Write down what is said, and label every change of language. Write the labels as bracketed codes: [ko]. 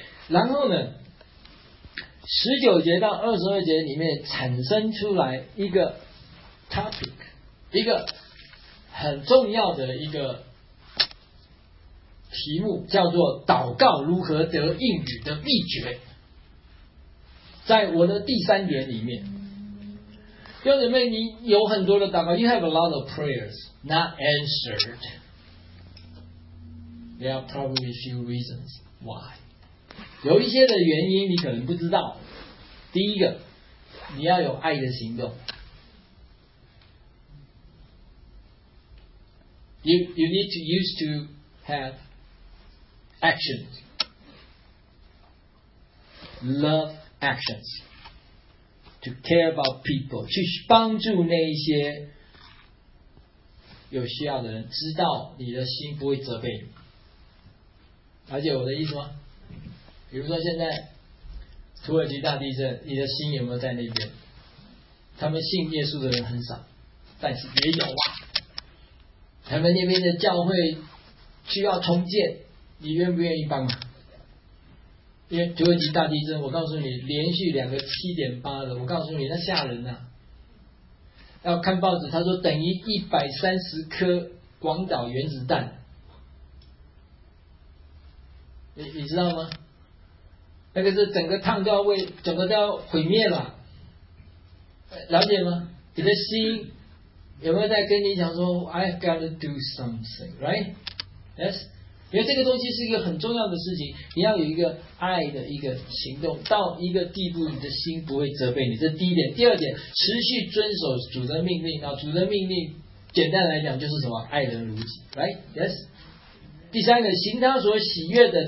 [zh] 然后呢，19节到22节里面产生出来一个 topic， 一个很重要的一个题目，叫做祷告如何得应允的秘诀，在我的第三卷里面。弟兄姊妹，你有很多的祷告， [en] You have a lot of prayers not answered. There are probably a few reasons why. [zh] 有一些的原因你可能不知道。第一个，你要有爱的行动。 [en] You need to used to have actions. Love actions. To care about people， [zh] 去帮助那一些有需要的人，知道你的心不会责备你。了解我的意思吗？比如说现在土耳其大地震，你的心有没有在那边？他们信耶稣的人很少，但是也有啊。他们那边的教会需要重建，你愿不愿意帮忙？因为土耳其大地震，我告诉你，连续两个7.8的，我告诉你，那吓人啊！要看报纸，他说等于130颗广岛原子弹，你知道吗？那个是整个烫都要为，整个都要毁灭了，了解吗？你的心有没有在跟你讲说 ， [en] I've got to do something, right? Yes. [zh] 因为这个东西是一个很重要的事情，你要有一个爱的一个行动，到一个地步你的心不会责备你，这第一点。第二点，持续遵守主的命令，然后主的命令简单来讲就是什么？爱人如己， [en] right? Yes. [zh] 第三个，行他所喜悦的。